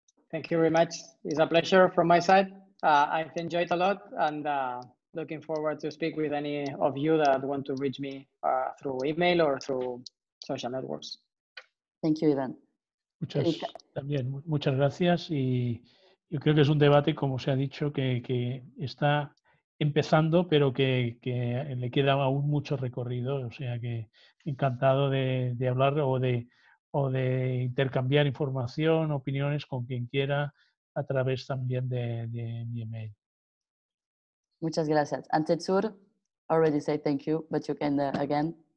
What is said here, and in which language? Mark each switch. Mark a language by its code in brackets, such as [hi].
[en] Thank you very much. It's a pleasure from my side. I've enjoyed a lot and looking forward to speak with any of you that want to reach me through email or through social networks. Thank you, Ivan. [es] Muchas, también, muchas gracias. Y yo creo que es un debate, como se ha dicho, que está empezando, pero que le queda aún mucho recorrido. O sea que encantado de hablar o de intercambiar información, opiniones con quien quiera a través también de mi email. Muchas gracias. [en] Antetsur, already say thank you, but you can again.